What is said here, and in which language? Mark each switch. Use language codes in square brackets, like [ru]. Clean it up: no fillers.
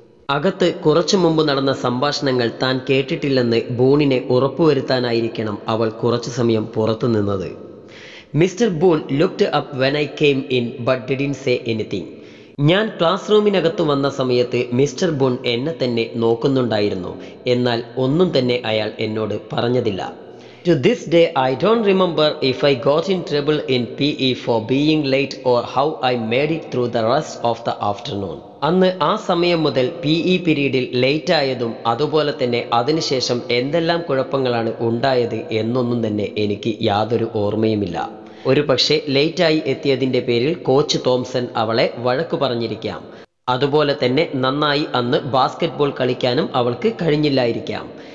[ml] അകത്ത് കുറച്ചു മുമ്പ് നടന്ന സംഭാഷണങ്ങൾ താൻ കേട്ടിട്ടില്ലെന്ന് ബൂണിനെ ഉറപ്പുവരുത്താനായിരിക്കണം അവൾ കുറച്ചു സമയം പുറത്തു നിന്നത്. [en] Mister Boon looked up when I came in but didn't say anything. [ml] ഞാൻ ക്ലാസ് റൂമിനകത്ത് വന്ന സമയത്ത് മിസ്റ്റർ ബൂൺ എന്നെ തന്നെ നോക്കുന്നുണ്ടായിരുന്നു. എന്നാൽ ഒന്നും തന്നെ അയാൾ എന്നോട് പറഞ്ഞതില്ല. [en] To this day, I don't remember if I got in trouble in PE for being late or how I made it through the rest of the afternoon. [ml] അന്ന് ആ സമയം മുതൽ PE പിരീഡിൽ ലേറ്റ് ആയതും അതുപോലെ തന്നെ അതിനുശേഷം എന്തെല്ലാം കുഴപ്പങ്ങളാണ് ഉണ്ടായത് എന്നൊന്നും തന്നെ എനിക്ക് യാതൊരു ഓർമ്മയുമില്ല. ഒരു പക്ഷേ ലേറ്റായി എത്തിയതിൻ്റെ പേരിൽ കോച്ച് തോംസൺ അവളെ വഴക്കു പറഞ്ഞിരിക്കാം. അതുപോലെ തന്നെ നന്നായി അന്ന് ബാസ്കറ്റ്ബോൾ കളിക്കാനും അവൾക്ക് കഴിഞ്ഞില്ലായിരിക്കാം.